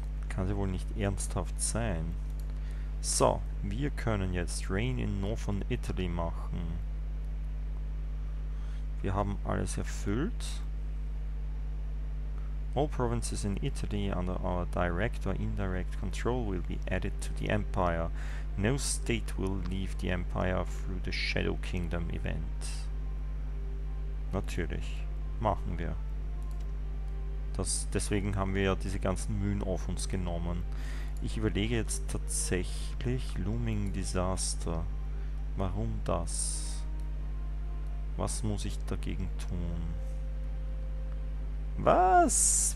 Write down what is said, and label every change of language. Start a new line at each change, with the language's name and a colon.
German: Kann sie wohl nicht ernsthaft sein. So, wir können jetzt Reign in Northern Italy machen. Wir haben alles erfüllt.
English: All provinces in Italy under our direct or indirect control will be added to the Empire. No state will leave the Empire through the Shadow Kingdom event.
German: Natürlich. Machen wir. Deswegen haben wir ja diese ganzen Mühen auf uns genommen. Ich überlege jetzt tatsächlich Looming Disaster. Warum das? Was muss ich dagegen tun? Was?